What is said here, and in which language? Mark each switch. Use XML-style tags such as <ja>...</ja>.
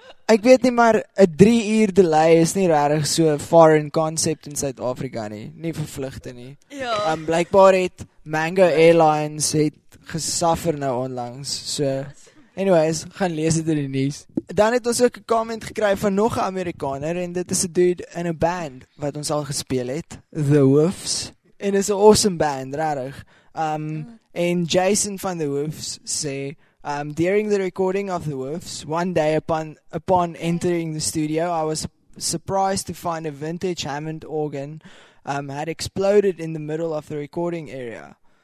<af>ek weet nie, maar 'n 3 uur delay is nie regtig so foreign concept in Suid-Afrika nie. Nie vir vlugte nie. Ja. Blykbaar het Mango Airlines het gesuffer nou onlangs. So anyways, gaan lees dit in die nuus. Dan het ons ook 'n comment gekry van nog 'n Amerikaner en dit is 'n dude in 'n band wat ons al gespeel het, The Wolves. En is 'n awesome band, regtig. En Jason van The Wolves sê,</af> <en>during the recording of The Wolves, one day upon entering the studio, I was surprised to find a vintage Hammond organ had exploded in the middle of the recording area.</en>